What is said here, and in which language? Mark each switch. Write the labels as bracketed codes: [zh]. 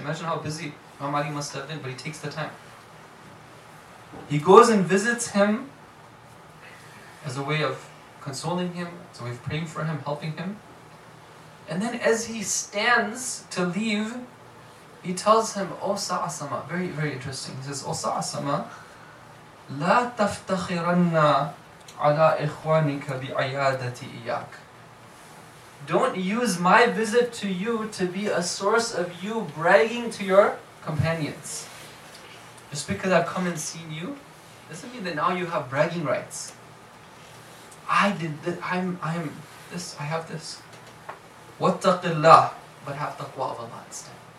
[en] Imagine how busy Imam Ali must have been, but he takes the time. He goes and visits him as a way of consoling him, as a way of praying for him, helping him. And then as he stands to leave, he tells him, "Oh Sa'asama," very, very interesting. He says, "Oh Sa'asama, [ar] لا تفتخرن على إخوانك بعيادتي إياك." [en] Don't use my visit to you to be a source of you bragging to your companions. Just because I've come and seen you, doesn't mean that now you have bragging rights. I did this. I'm this. I have this. [ar] واتق الله, [en] but have taqwa of Allah instead.